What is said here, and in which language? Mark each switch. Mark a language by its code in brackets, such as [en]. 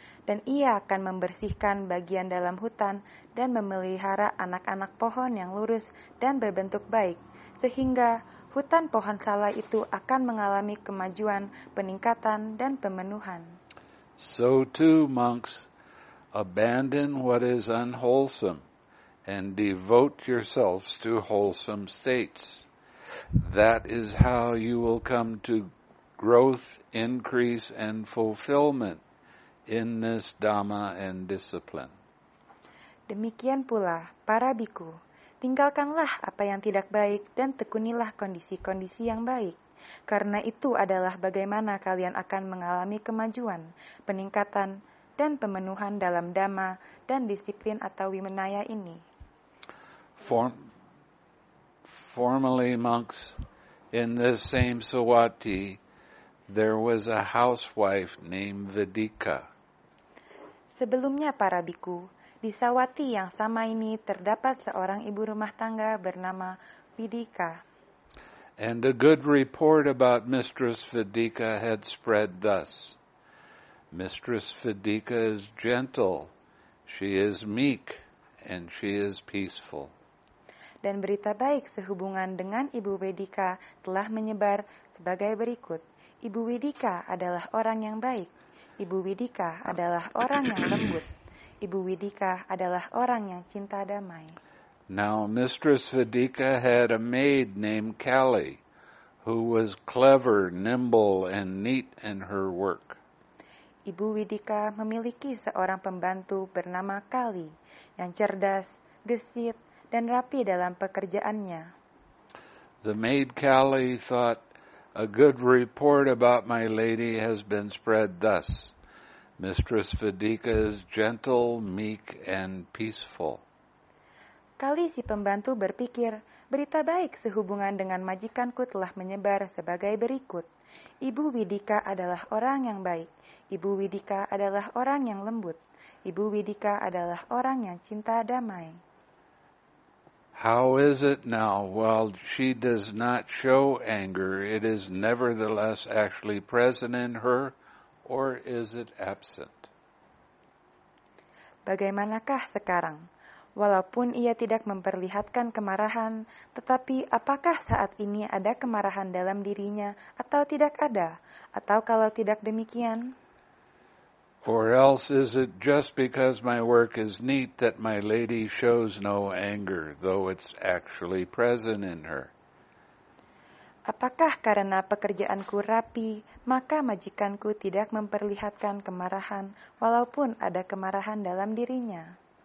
[id] Dan ia akan membersihkan bagian dalam hutan dan memelihara anak-anak pohon yang lurus dan berbentuk baik. Sehingga hutan pohon salah itu akan mengalami kemajuan, peningkatan, dan pemenuhan. [en] So too, monks, abandon what is unwholesome and devote yourselves to wholesome states. That is how you will come to growth, increase, and fulfillment in this Dhamma and discipline. [id] Demikian pula, para bhikkhu, tinggalkanlah apa yang tidak baik dan tekunilah kondisi-kondisi yang baik. Karena itu adalah bagaimana kalian akan mengalami kemajuan, peningkatan, dan pemenuhan dalam dhamma dan disiplin atau vimanaya ini. [en] Formerly monks, in this same Sawati, there was a housewife named Vedika. [id] Sebelumnya para bhikkhu, di Sawati yang sama ini terdapat seorang ibu rumah tangga bernama Vedika. [en] And a good report about Mistress Vedika had spread thus. Mistress Vidika is gentle, she is meek, and she is peaceful. [id] Dan berita baik sehubungan dengan Ibu Vidika telah menyebar sebagai berikut. Ibu Vidika adalah orang yang baik. Ibu Vidika adalah orang yang lembut. Ibu Vidika adalah orang yang cinta damai. [en] Now, Mistress Vidika had a maid named Kali, who was clever, nimble, and neat in her work. [id] Ibu Vidika memiliki seorang pembantu bernama Kali, yang cerdas, gesit, dan rapi dalam pekerjaannya. [en] The maid Kali thought, "A good report about my lady has been spread thus. Mistress Vidika is gentle, meek, and peaceful." [id] Kali si pembantu berpikir, berita baik sehubungan dengan majikanku telah menyebar sebagai berikut. Ibu Vidika adalah orang yang baik. Ibu Vidika adalah orang yang lembut. Ibu Vidika adalah orang yang cinta damai. [en] How is it now? While she does not show anger, it is nevertheless actually present in her, or is it absent? [id] Bagaimanakah sekarang? Walaupun ia tidak memperlihatkan kemarahan, tetapi apakah saat ini ada kemarahan dalam dirinya atau tidak ada? Atau kalau tidak demikian? [en] Or else is it just because my work is neat that my lady shows no anger, though it's actually present in her? [id] Apakah karena pekerjaanku rapi, maka majikanku tidak memperlihatkan kemarahan, walaupun ada kemarahan dalam dirinya?